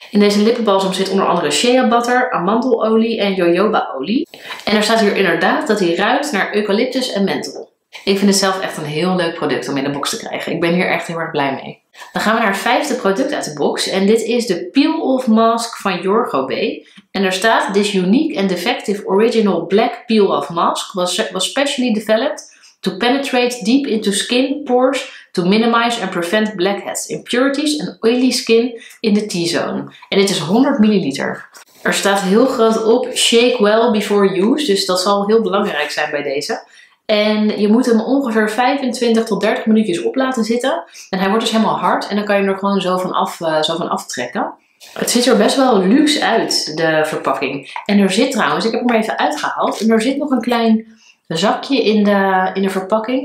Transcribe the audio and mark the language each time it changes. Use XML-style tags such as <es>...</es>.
<nl>In deze lippenbalsem zit onder andere shea butter, amandelolie en jojoba olie. En er staat hier inderdaad dat hij ruikt naar eucalyptus en menthol. Ik vind het zelf echt een heel leuk product om in de box te krijgen. Ik ben hier echt heel erg blij mee. Dan gaan we naar het vijfde product uit de box. En dit is de Peel Off Mask van Yorgobé.</nl> <en>En er staat This Unique and Effective Original Black Peel Off Mask was specially developed to penetrate deep into skin pores to minimize and prevent blackheads, impurities and oily skin in the T-zone.</en> <nl>En dit is 100 ml. Er staat heel groot op</nl> <en>shake well before use,</en> <nl>dus dat zal heel belangrijk zijn bij deze. En je moet hem ongeveer 25 tot 30 minuutjes op laten zitten. En hij wordt dus helemaal hard en dan kan je er gewoon zo van aftrekken. Het ziet er best wel luxe uit, de verpakking. En er zit trouwens, ik heb hem er even uitgehaald, en er zit nog een klein zakje in de verpakking.</nl>